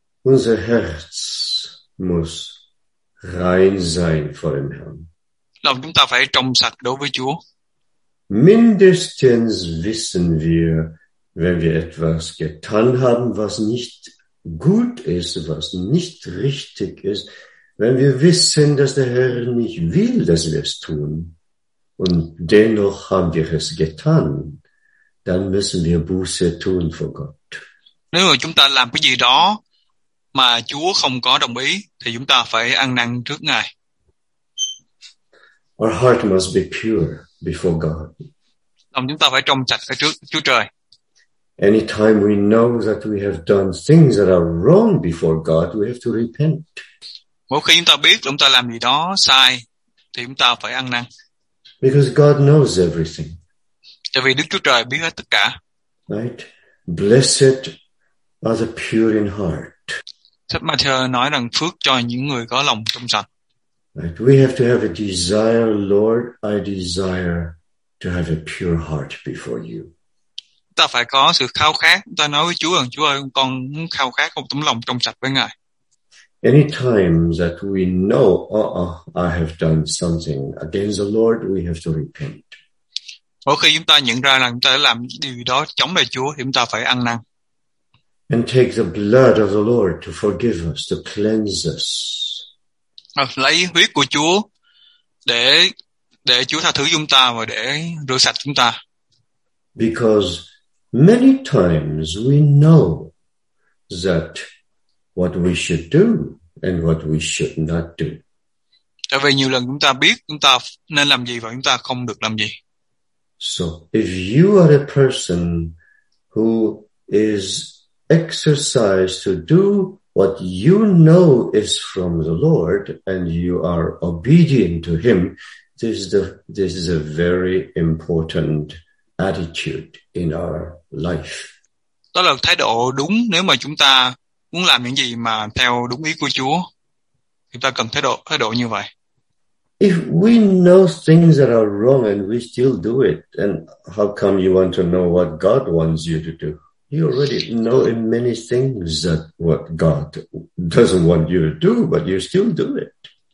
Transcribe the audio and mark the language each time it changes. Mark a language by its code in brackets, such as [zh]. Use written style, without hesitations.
[de] Unser Herz muss rein sein vor dem Herrn. [vi] Lòng chúng ta phải trong sạch đối với Chúa. [de] Mindestens wissen wir, wenn wir etwas getan haben, was nicht gut ist, was nicht richtig ist, wenn wir wissen, dass der Herr nicht will, dass wir es tun, und dennoch haben wir es getan, dann müssen wir Buße tun vor Gott. [vi] Nếu chúng ta làm cái gì đó mà Chúa không có đồng ý thì chúng ta phải ăn năn trước Ngài. [en] Our heart must be pure before God. [vi] Lòng chúng ta phải trong sạch trước Chúa Trời. [en] Anytime we know that we have done things that are wrong before God, we have to repent. [vi] Mỗi khi chúng ta biết chúng ta làm gì đó sai thì chúng ta phải ăn năn. [en] Because God knows everything. [vi] Tại vì Đức Chúa Trời biết hết tất cả. [en] Right? Blessed are the pure in heart. [vi] Sách Ma-thi-ơ nói rằng phước cho những người có lòng trong sạch. [en] Right? We have to have a desire, Lord, I desire to have a pure heart before you. [vi] Ta phải có sự khao khát. Ta nói với Chúa rằng, Chúa ơi, con muốn khao khát một tấm lòng trong sạch với Ngài. [en] Any time that we know, I have done something against the Lord, we have to repent. [vi] Mỗi khi chúng ta nhận ra là chúng ta đã làm điều đó chống lại Chúa, thì chúng ta phải ăn năn. [en] And take the blood of the Lord to forgive us, to cleanse us. [vi] Lấy huyết của Chúa để Chúa tha thứ chúng ta và để rửa sạch chúng ta. [en] Because many times we know that what we should do and what we should not do. [vi] Tại vì nhiều lần chúng ta biết chúng ta nên làm gì và chúng ta không được làm gì. [en] So if you are a person who is exercised to do what you know is from the Lord and you are obedient to him, this is a very important attitude in our life. [vi] Đó là thái độ đúng nếu mà chúng ta muốn làm những gì mà theo đúng ý của Chúa. Chúng ta cần thái độ như vậy. [en] If we know things that are wrong and we still do it, then how come you want to know what God wants you to do? You already know in many things that what God doesn't want you to do, but you still do it.